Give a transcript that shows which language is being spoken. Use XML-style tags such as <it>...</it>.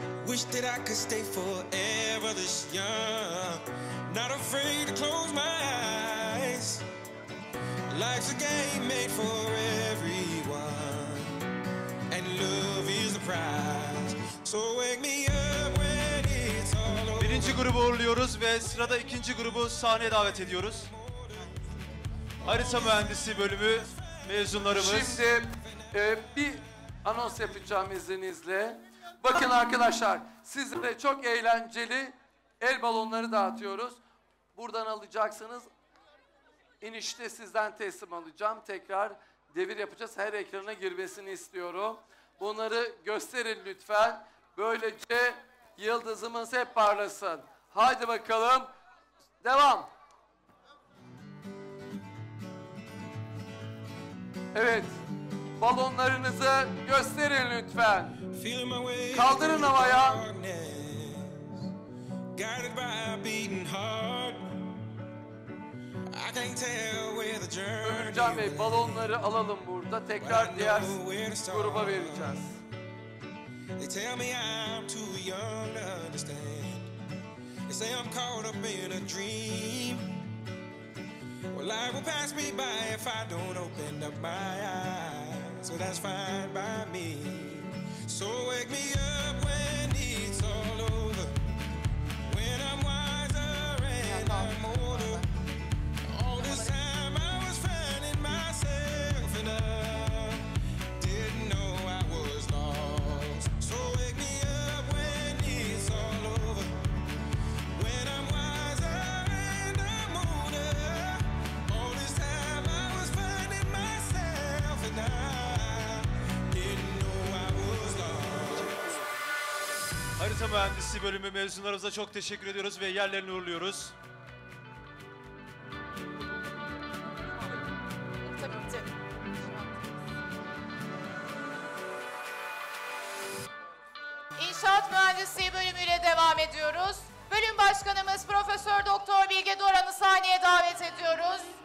<en>Wish that I could stay forever this young, not afraid to close my eyes. Life's a game made for everyone, and love is the prize. So wake me up when it's all over.</en> <tr>Birinci grubu uğurluyoruz ve sırada ikinci grubu sahneye davet ediyoruz. Harita Mühendisi bölümü mezunlarımız. Şimdi bir anons yapacağım izninizle. Bakın arkadaşlar, sizlere çok eğlenceli el balonları dağıtıyoruz. Buradan alacaksınız. İnişte sizden teslim alacağım. Tekrar devir yapacağız. Her ekrana girmesini istiyorum. Bunları gösterin lütfen. Böylece yıldızımız hep parlasın. Haydi bakalım. Devam. Evet, balonlarınızı gösterin lütfen. Kaldırın havaya.</tr> <en>Guided by a beating heart, I can't tell where the journey is.</en> <tr>Ömürcan Bey, balonları alalım burada. Tekrar diğer gruba vereceğiz.</tr> <en>They tell me I'm too young to understand. They say I'm caught up in a dream. Well, life will pass me by if I don't open up my eyes. So that's fine by me. So wake me up when it's all over. When I'm wiser and I'm older. All this time I was finding myself and I didn't know I was lost. So wake me up when it's all over. When I'm wiser and I'm older. All this time I was finding myself and I didn't know I was lost.</en> <tr>Harita Mühendisi bölümü mezunlarımıza çok teşekkür ediyoruz ve yerlerini uğurluyoruz. İnşaat Mühendisliği bölümüyle devam ediyoruz. Bölüm başkanımız Profesör Doktor Bilge Doran'ı sahneye davet ediyoruz.</tr>